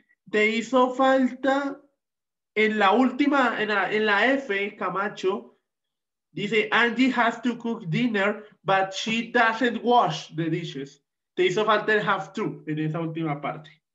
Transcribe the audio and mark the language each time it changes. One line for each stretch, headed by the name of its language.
Spanish: Te hizo falta en la última, en la F, Camacho.
English: Dice, Angie has to cook dinner, but she doesn't wash the dishes.
Spanish: Te hizo falta el have to en esa última parte.